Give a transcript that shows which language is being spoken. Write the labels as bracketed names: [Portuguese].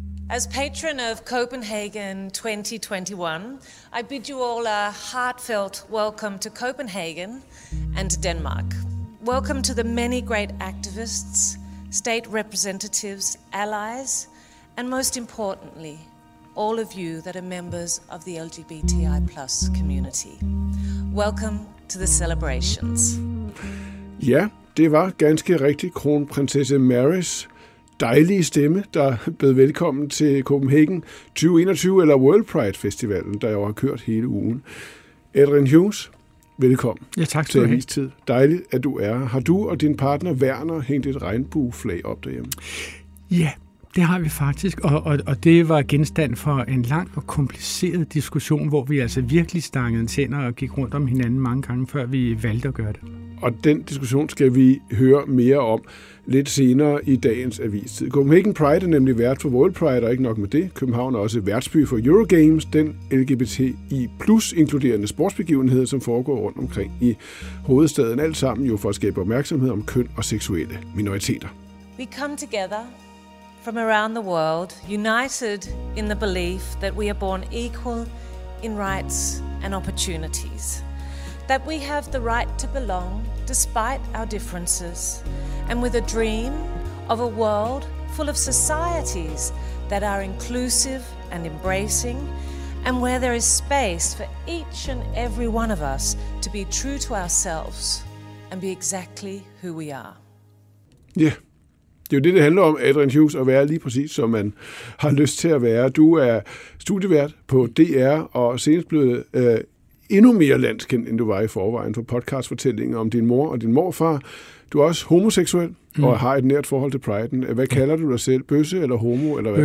[English] As patron of Copenhagen 2021, I bid you all a heartfelt welcome to Copenhagen and to Denmark. Welcome to the many great activists, state representatives, allies, and most importantly, all of you that are members of the LGBTI plus community. Welcome to the celebrations. [Danish] Ja, det var ganske rigtigt kronprinsesse Marys dejlige stemme, der bød velkommen til Copenhagen 2021 eller World Pride Festivalen, der jo har kørt hele ugen. Adrian Hughes, velkommen. Ja, tak til dig. Tid. Dejligt, at du er. Har du og din partner Werner hængt et regnbueflag op derhjemme? Ja, det har vi faktisk, og det var genstand for en lang og kompliceret diskussion, hvor vi altså virkelig stangede tænder og gik rundt om hinanden mange gange, før vi valgte at gøre det. Og den diskussion skal vi høre mere om lidt senere i dagens Avistid. Copenhagen Pride er nemlig vært for World Pride, og ikke nok med det. København er også værtsby for Eurogames, den LGBTI plus inkluderende sportsbegivenhed, som foregår rundt omkring i hovedstaden. Alt sammen jo for at skabe opmærksomhed om køn og seksuelle minoriteter. [English] We come together from around the world, united in the belief that we are born equal in rights and opportunities. That we have the right to belong despite our differences, and with a dream of a world full of societies that are inclusive and embracing, and where there is space for each and every one of us to be true to ourselves and be exactly who we are. Yeah. [Danish] Det er jo det handler om, Adrian Hughes, at være lige præcis, som man har lyst til at være. Du er studievært på DR, og senest blevet endnu mere landskendt, end du var i forvejen, for podcastfortællinger om din mor og din morfar. Du er også homoseksuel, og har et nært forhold til priden. Hvad kalder du dig selv? Bøsse eller homo? Eller hvad?